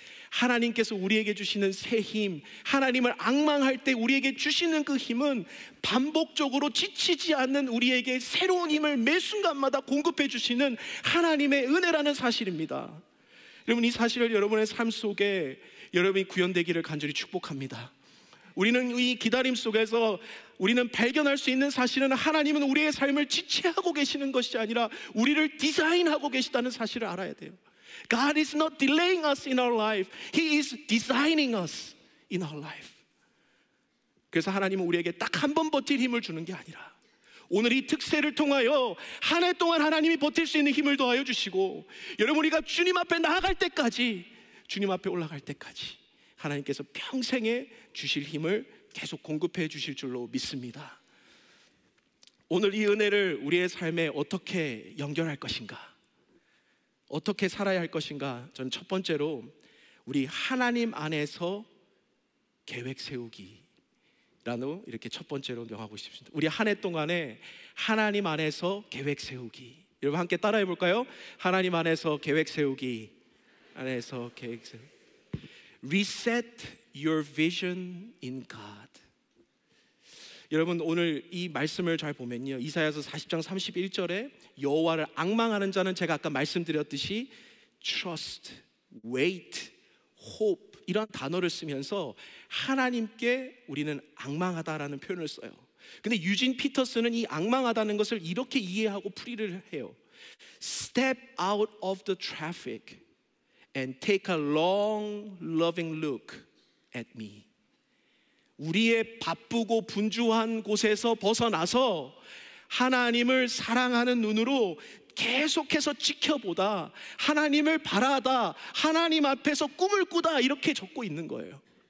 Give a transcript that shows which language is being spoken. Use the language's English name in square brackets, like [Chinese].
[Korean] 하나님께서 우리에게 주시는 새 힘, 하나님을 앙망할 때 우리에게 주시는 그 힘은 반복적으로 지치지 않는 우리에게 새로운 힘을 매 순간마다 공급해 주시는 하나님의 은혜라는 사실입니다. 여러분, 이 사실을 여러분의 삶 속에 여러분이 구현되기를 간절히 축복합니다. 우리는 이 기다림 속에서 우리는 발견할 수 있는 사실은, 하나님은 우리의 삶을 지체하고 계시는 것이 아니라 우리를 디자인하고 계시다는 사실을 알아야 돼요. [English] God is not delaying us in our life. He is designing us in our life. [Korean] 그래서 하나님은 우리에게 딱 한 번 버틸 힘을 주는 게 아니라 오늘 이 특세를 통하여 한 해 동안 하나님이 버틸 수 있는 힘을 더하여 주시고, 여러분, 우리가 주님 앞에 나아갈 때까지, 주님 앞에 올라갈 때까지 하나님께서 평생에 주실 힘을 계속 공급해 주실 줄로 믿습니다. 오늘 이 은혜를 우리의 삶에 어떻게 연결할 것인가, 어떻게 살아야 할 것인가, 저는 첫 번째로 우리 하나님 안에서 계획 세우기 라는, 이렇게 첫 번째로 명하고 싶습니다. 우리 한 해 동안에 하나님 안에서 계획 세우기. 여러분 함께 따라해 볼까요? 하나님 안에서 계획 세우기. 안에서 계획 세우기. [English] Reset your vision in God. [Korean] 여러분 오늘 이 말씀을 잘 보면요, 이사야서 40장 31절에 여호와를 앙망하는 자는, 제가 아까 말씀드렸듯이 [English] trust, wait, hope [Korean] 이런 단어를 쓰면서 하나님께 우리는 앙망하다라는 표현을 써요. 근데 유진 피터스는 이 앙망하다는 것을 이렇게 이해하고 풀이를 해요. [English] Step out of the traffic and take a long loving look at me. [Korean] 우리의 바쁘고 분주한 곳에서 벗어나서 하나님을 사랑하는 눈으로 계속해서 지켜보다, 하나님을 바라다, 하나님 앞에서 꿈을 꾸다, 이렇게 적고 있는 거예요.